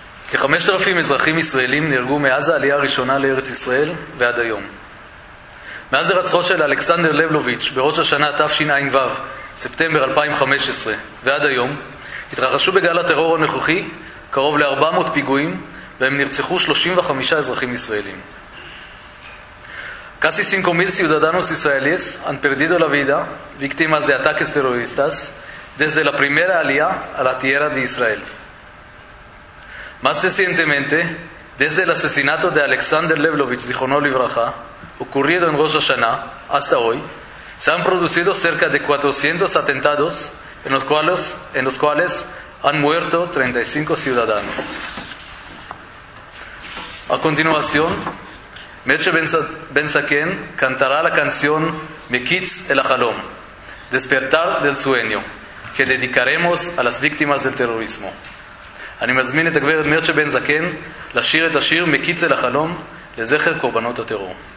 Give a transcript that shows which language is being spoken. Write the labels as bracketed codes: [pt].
[he] כ-5,000 אזרחים ישראלים נהרגו מאז העלייה הראשונה לארץ ישראל ועד היום. מאז הרצחו של אלכסנדר לבלוביץ' בראש השנה תשע"ו, ספטמבר 2015, ועד היום, התרחשו בגל הטרור הנוכחי קרוב ל-400 פיגועים, והם נרצחו 35 אזרחים ישראלים. [es] Casi 5,000 ciudadanos israelíes han perdido la vida víctimas de ataques terroristas desde la primera alía a la tierra de Israel. Más recientemente, desde el asesinato de Alexander Levlovich, [he] zichrono livracha, [es] ocurrido en Rosh Hashanah, hasta hoy, se han producido cerca de 400 atentados en los cuales han muerto 35 ciudadanos. A continuación, Meche Ben-Zaken cantará la canción Mekitz el Halom, Despertar del Sueño, que dedicaremos a las víctimas del terrorismo. [he] אני מזמין את הגברת מרצ'ה בן זקן לשיר את השיר מקיץ אל החלום לזכר קורבנות הטרור.